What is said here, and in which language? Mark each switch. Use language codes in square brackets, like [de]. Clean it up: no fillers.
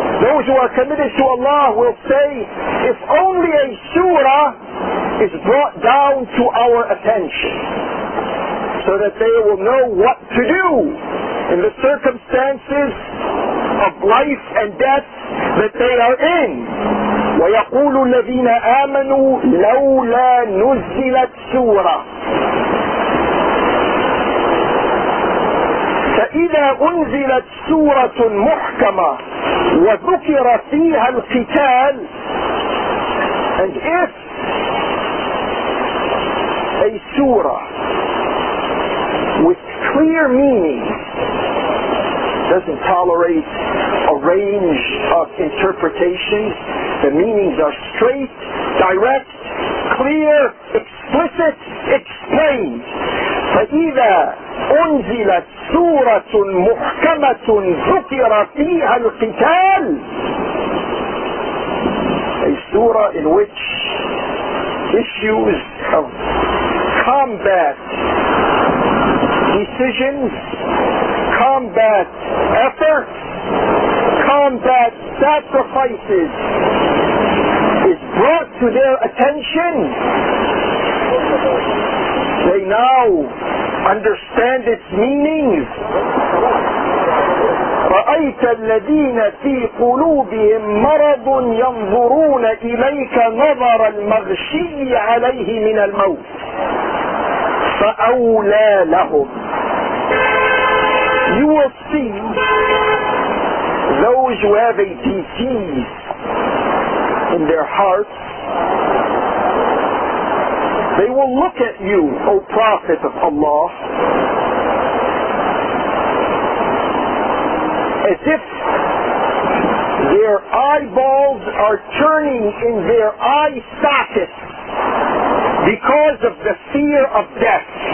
[en] Those who are committed to Allah will say, if only a surah is brought down to our attention, so that they will know what to do in the circumstances of life and death that they are in. [ar] ويقول الذين آمنوا لولا نزلت سورة فإذا أنزلت سورة محكمة وذكر فيها القتال. [en] And if a surah with clear meaning doesn't tolerate a range of interpretations, the meanings are straight, direct, clear, explicit, explained. [ar] فَإِذَا أُنْزِلَتْ سُورَةٌ مُحْكَمَةٌ ذُكِرَ فِيهَا الْقِتَالِ. [en] A surah in which issues of combat decisions, combat efforts, combat sacrifices is brought to their attention, they now understand its meaning. [ar] رأيت الذين في قلوبهم مرض ينظرون إليك نظر المغشي عليه من الموت. فأولى لهم. [en] You will see those who have a disease in their hearts, they will look at you, O Prophet of Allah, as if their eyeballs are turning in their eye sockets because of the fear of death.